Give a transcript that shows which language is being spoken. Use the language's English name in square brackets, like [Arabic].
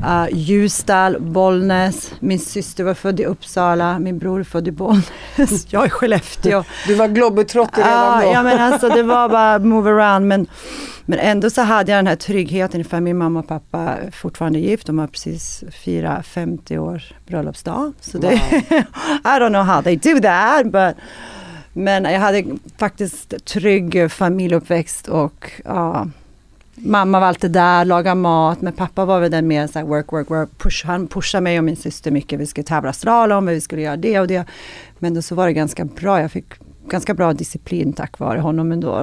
[Swedish] Ljusdal, Bollnäs. Min syster var född i Uppsala, min bror född i Bollnäs. Jag är Skellefteå. Du var globetrotter redan då. Ja, men alltså det var bara [English] move around. [Swedish] Men ändå så hade jag den här tryggheten, för min mamma och pappa är fortfarande gift. De har precis firat 50 år bröllopsdag. Så wow. Det, [English] I don't know how they do that, but... [Swedish] Men jag hade faktiskt trygg familjeuppväxt och ja, mamma var alltid där, lagade mat. Men pappa var väl den mer så här [English] work, work, work. [Swedish] Han pushade mig och min syster mycket. Vi skulle tävla slalom, vi skulle göra det och det. Men då så var det ganska bra. Jag fick ganska bra disciplin tack vare honom ändå.